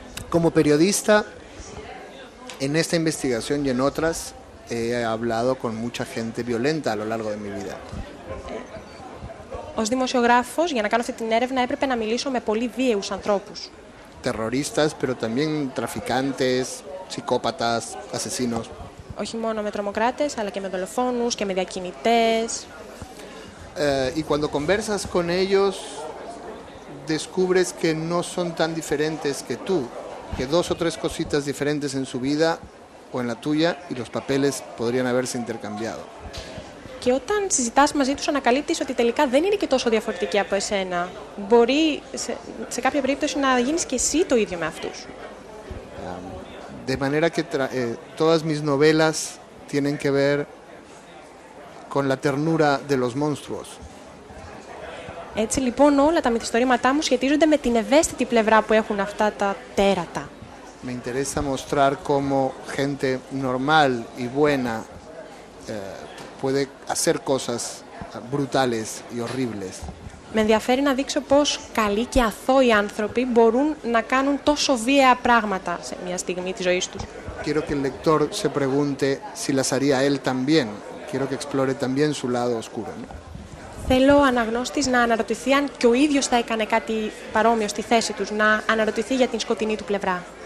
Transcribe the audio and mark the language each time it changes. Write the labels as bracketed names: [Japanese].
[Spanish] Como periodista, en esta investigación y en otras, he hablado con mucha gente violenta a lo largo de mi vida. [Greek] Ως δημοσιογράφος, για να κάνω αυτή την έρευνα, έπρεπε να μιλήσω με πολύ βίαιους ανθρώπους. [Spanish] Terroristas, pero también traficantes, psicópatas, asesinos. [Greek] Όχι μόνο με τρομοκράτες, αλλά και με δολοφόνους και με διακινητές. [Spanish] Y cuando conversas con ellos, descubres que no son tan diferentes que tú, que dos o tres cositas diferentes en su vida o en la tuya y los papeles podrían haberse intercambiado. [Greek] Και όταν συζητάς μαζί τους, ανακαλύπτεις ότι τελικά δεν είναι και τόσο διαφορετική από εσένα. Μπορεί σε κάποια περίπτωση να γίνεις και εσύ το ίδιο με αυτούς. [Spanish] De manera que todas mis novelas tienen que ver con la ternura de los monstruos. [Greek] Έτσι λοιπόν όλα τα μυθιστορήματά μου σχετίζονται με την ευαίσθητη πλευρά που έχουν αυτά τα τέρατα. [Spanish] Me interesa mostrar cómo gente normal y buena puede hacer cosas brutales y horribles. [Greek] Με ενδιαφέρει να δείξω πώς καλοί και αθώοι άνθρωποι μπορούν να κάνουν τόσο βίαια πράγματα σε μια στιγμή της ζωής τους. [Spanish] Quiero que el lector se pregunte si las haría él también. Quiero que explore también su lado oscuro. [Greek] Θέλω ο αναγνώστης να αναρωτηθεί αν και ο ίδιος θα έκανε κάτι παρόμοιο στη θέση τους, να αναρωτηθεί για την σκοτεινή του πλευρά.